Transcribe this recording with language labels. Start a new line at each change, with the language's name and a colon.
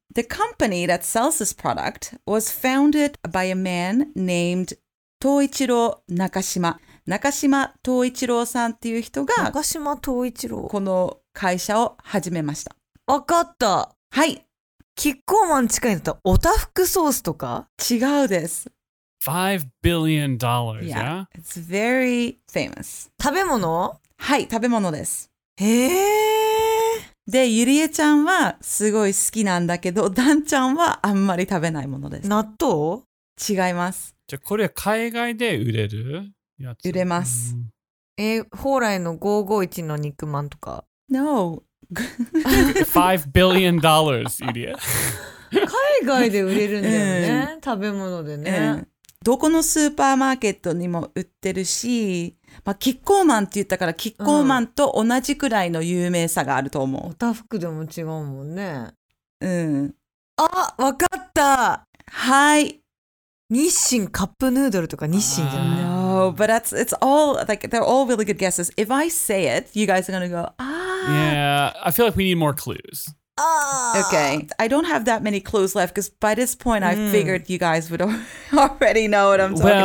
English: The company that sells this product was founded by a man named 東一郎中島。
Japanese: 中島東一郎さんっていう人が中島東一郎この会社を始めました。わかった。はい。キッコーマン近いんだったらおたふくソースとか違うです。
English: $5 billion, yeah? Yeah, it's very famous.
Japanese: 食べ物？はい、食べ物です。へぇー。で、ゆりえちゃんはすごい好きなんだけど、ダンちゃんはあんまり食べないものです。納豆？違います。じゃあこれ海外で売れる？売れます。蓬莱の551の肉まんとか。
English: No. $5 billion, idiot.
Japanese: 海外で売れるんだよね。食べ物でね。どこのスーパーマーケットにも売ってるし、まあ、キッコーマンって言ったから、キッコーマンと同じくらいの有名さがあると思う。おたふくでも違うもんね。うん。あ、わかった。はい。日清カップヌードルとか日清じゃない。
English: Oh, but that's, it's all, like, they're all really good guesses. If I say it, you guys are going to go, ah. Yeah, I feel like we need more clues. Okay, I don't have that many clues left because by this point, I figured you guys would already know what I'm talking